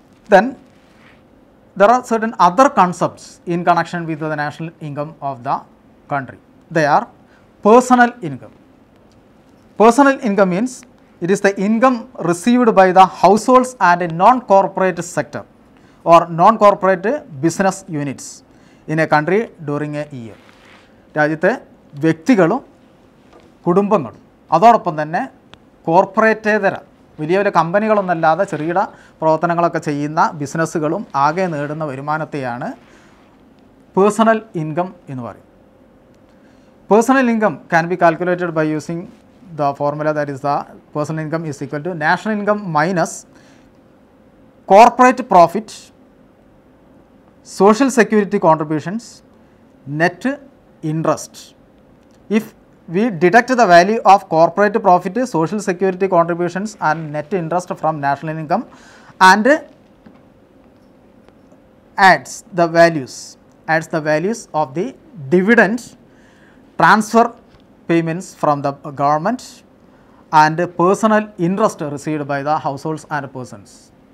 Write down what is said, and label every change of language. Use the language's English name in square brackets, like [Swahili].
[English] Then there are certain other concepts in connection with the national income of the country. They are personal income. Personal income means it is the income received by the households and a non-corporate sector or non-corporate business units in a country during a year. [Malayalam] രാജ്യത്തെ വ്യക്തികളും കുടുംബങ്ങളും അതോടൊപ്പം തന്നെ കോർപ്പറേറ്റേതര വലിയ വലിയ കമ്പനികളൊന്നല്ലാതെ ചെറുകിട പ്രവർത്തനങ്ങളൊക്കെ ചെയ്യുന്ന ബിസിനസ്സുകളും ആകെ നേടുന്ന വരുമാനത്തെയാണ് [English] Personal income എന്ന് പറയും. Personal income can be calculated by using the formula, that is the personal income is equal to national income minus corporate profit, social security contributions, net interest. If we deduct the value of corporate profit, social security contributions and net interest from national income and adds the values of the dividend, transfer payments from the government and personal interest received by the households and persons.